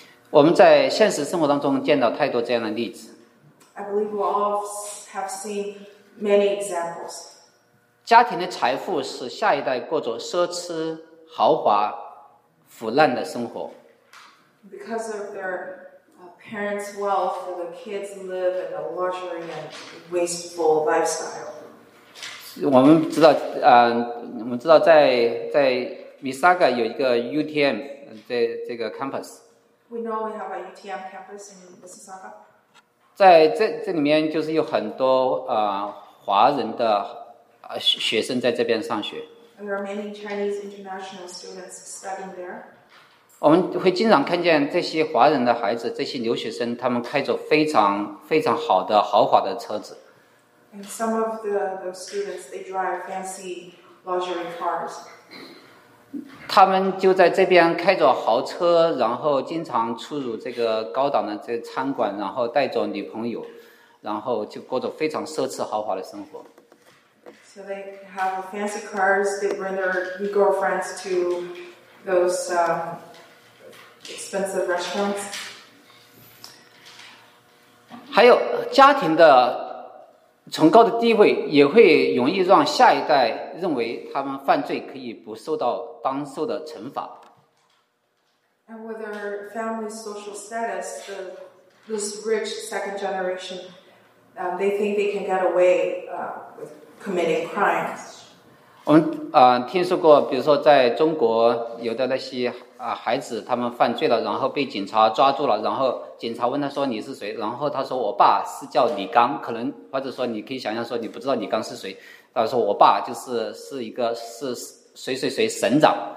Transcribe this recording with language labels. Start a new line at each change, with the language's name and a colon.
Chinese: 我们在现实生活当中见到太多这样的例子。
English: I believe we all have seen many examples.
Chinese: 家庭的财富使下一代过着奢侈豪华腐烂的生活。
English: Because of their parents' wealth, the kids live in a luxury and wasteful lifestyle.
Chinese: 我们知道，我们知道在 Mississauga 有一个 UTM 这个 campus.
English: We know we have a UTM campus in Mississauga.
Chinese: 在这里面就是有很多华人的学生在这边上学。
English: There are many Chinese international students studying there.
Chinese: 我们会经常看见这些华人的孩子，这些留学生，他们开着非常非常好的豪华的车子。
English: And some of the students, they drive fancy luxury cars.
Chinese: 他们就在这边开着豪车，然后经常出入这个高档的这个餐馆，然后带着女朋友，然后就过着非常奢侈豪华的生活。
English: So they have fancy cars. They bring their new girlfriends to those. Expensive restaurants.
Chinese: 还有家庭的崇高的地位也会容易让下一代认为他们犯罪可以不受到当受的惩罚。
English: And with their family social status, this rich second generation, they think they can get away with committing crimes.
Chinese: 我们听说过，比如说在中国有的那些孩子，他们犯罪了，然后被警察抓住了，然后警察问他说你是谁，然后他说我爸是叫李刚，可能或者说你可以想象说你不知道李刚是谁，他说我爸就是一个是谁谁谁省长。